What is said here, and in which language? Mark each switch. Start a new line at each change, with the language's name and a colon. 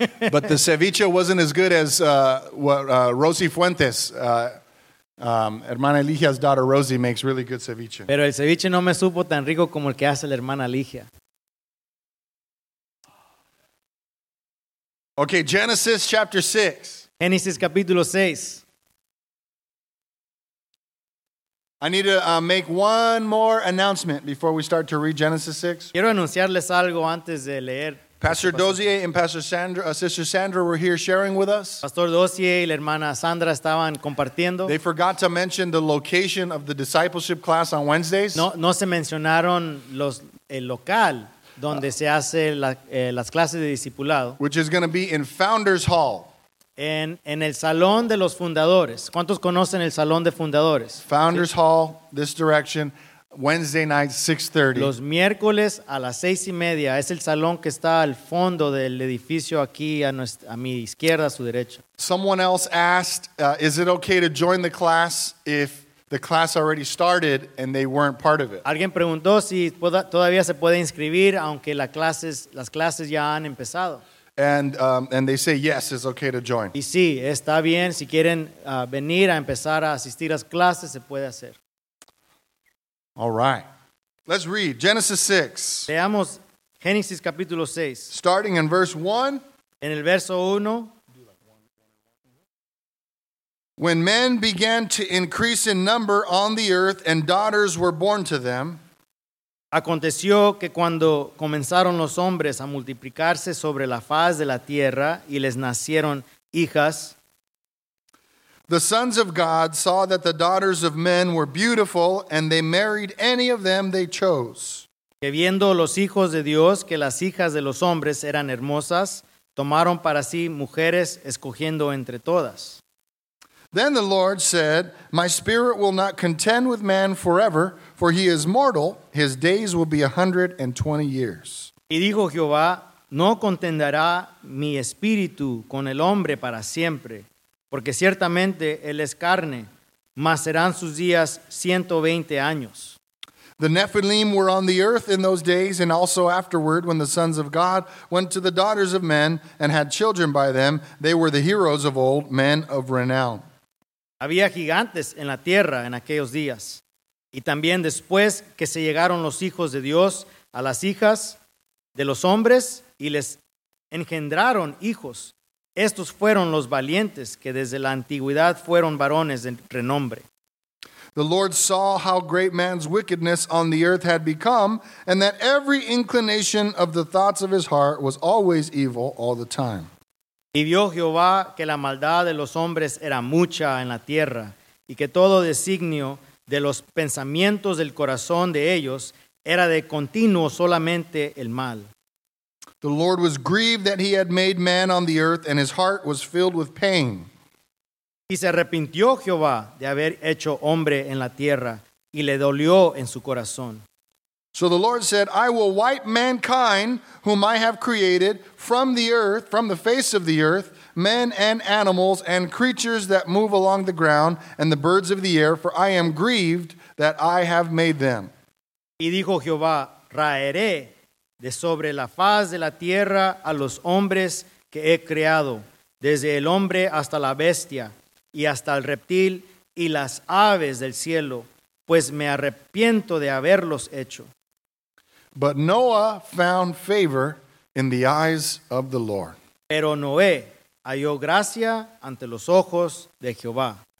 English: But the ceviche wasn't as good as Rosie Fuentes. Hermana Ligia's daughter Rosie makes really good ceviche.
Spanish: Pero el ceviche no me supo tan rico como el que hace la hermana Ligia.
English: Okay, Genesis chapter 6.
Spanish: Génesis capítulo 6.
English: I need to make one more announcement before we start to read Genesis 6.
Spanish: Quiero anunciarles algo antes de leer.
English: Pastor Dozier and Pastor Sandra, Sister Sandra were here sharing with us.
Spanish: Pastor Dozier y la hermana Sandra estaban compartiendo.
English: They forgot to mention the location of the discipleship class on Wednesdays.
Spanish: No se mencionaron el local donde se hace las clases de discipulado.
English: Which is going to be in Founders Hall.
Spanish: En el salón de los fundadores. ¿Cuántos conocen el salón de fundadores? Founders sí.
English: Hall, this direction, Wednesday night, 6:30.
Spanish: Los miércoles a las 6:30 es el salón que está al fondo del edificio aquí a mi izquierda, a su derecha.
English: Someone else asked, is it okay to join the class if the class already started and they weren't part of it?
Spanish: Alguien preguntó si todavía se puede inscribir aunque las clases ya han empezado.
English: And they say yes, it's okay to join.
Spanish: Y sí, está bien. Si quieren venir a empezar a asistir a las clases, se puede hacer.
English: All right. Let's read Genesis 6.
Spanish: Leamos Génesis capítulo 6.
English: Starting in verse 1.
Spanish: En el verso 1.
English: When men began to increase in number on the earth and daughters were born to them.
Spanish: Aconteció que cuando comenzaron los hombres a multiplicarse sobre la faz de la tierra y les nacieron hijas.
English: The sons of God saw that the daughters of men were beautiful and they married any of them they chose.
Spanish: Que viendo los hijos de Dios que las hijas de los hombres eran hermosas, tomaron para sí mujeres escogiendo entre todas.
English: Then the Lord said, My spirit will not contend with man forever, for he is mortal. His days will be 120 years.
Spanish: Y dijo Jehová, No contenderá mi espíritu con el hombre para siempre, porque ciertamente él es carne, mas serán sus días 120 años.
English: The Nephilim were on the earth in those days, and also afterward, when the sons of God went to the daughters of men and had children by them, they were the heroes of old, men of renown.
Spanish: Había gigantes en la tierra en aquellos días. Y también después que se llegaron los hijos de Dios a las hijas de los hombres y les engendraron hijos. Estos fueron los valientes que desde la antigüedad fueron varones de renombre.
English: The Lord saw how great man's wickedness on the earth had become and that every inclination of the thoughts of his heart was always evil all the time.
Spanish: Y vio Jehová que la maldad de los hombres era mucha en la tierra, y que todo designio de los pensamientos del corazón de ellos era de continuo solamente el mal.
English: The Lord was grieved that he had made man on the earth, and his heart was filled with pain.
Spanish: Y se arrepintió Jehová de haber hecho hombre en la tierra, y le dolió en su corazón.
English: So the Lord said, I will wipe mankind, whom I have created, from the earth, from the face of the earth, men and animals and creatures that move along the ground and the birds of the air, for I am grieved that I have made them.
Spanish: Y dijo Jehová, raeré de sobre la faz de la tierra a los hombres que he creado, desde el hombre hasta la bestia y hasta el reptil y las aves del cielo. Pues me arrepiento de haberlos hecho.
English: But Noah found favor in the eyes of the Lord.
Spanish: Pero Noé halló gracia ante los ojos de Jehová.